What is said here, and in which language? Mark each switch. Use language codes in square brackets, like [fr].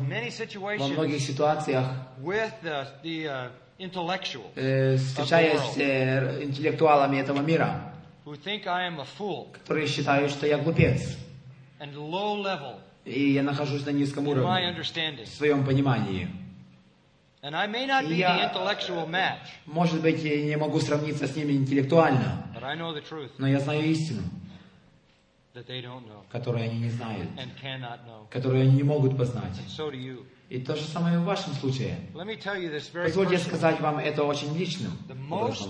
[en] many situations [ru] во многих ситуациях [en] with the intellectual, [ru] встречаясь интеллектуалами этого мира, [en] who think I am a fool, [ru] которые считают, что я глупец, [en] and low level, [ru] и я нахожусь на низком уровне, [en] in my understanding, [ru] в своем понимании, [en] and I may not be the intellectual match, [ru] может быть, я не могу сравниться с ними интеллектуально, [en] but I know the truth, [ru] но я знаю истину, [en] that they don't know, [ru] которую они не знают, [en] and cannot know, [ru] которую они не могут познать, [en] and so do you. [ru] И то же самое в вашем случае. Позвольте сказать вам это очень личным образом.